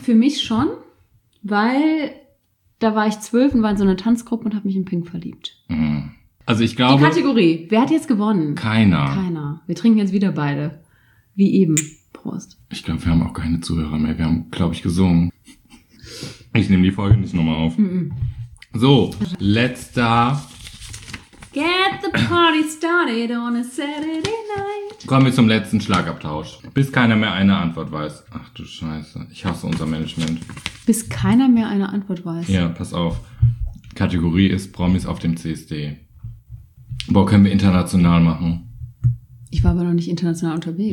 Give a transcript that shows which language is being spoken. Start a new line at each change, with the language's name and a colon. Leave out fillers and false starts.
German: Für mich schon, weil da war ich 12 und war in so einer Tanzgruppe und habe mich in Pink verliebt. Mhm. Also ich glaube... Die Kategorie. Wer hat jetzt gewonnen? Keiner. Wir trinken jetzt wieder beide. Wie eben. Prost. Ich glaube, wir haben auch keine Zuhörer mehr. Wir haben, glaube ich, gesungen. Ich nehme die Folge nicht nochmal auf. So, letzter...
English: Get the party started on a Saturday night.
German: Kommen wir zum letzten Schlagabtausch. Bis keiner mehr eine Antwort weiß. Ach du Scheiße. Ich hasse unser Management. Bis keiner mehr eine Antwort weiß. Ja, pass auf. Kategorie ist Promis auf dem CSD. Boah, können wir international machen? Ich war aber noch nicht international unterwegs.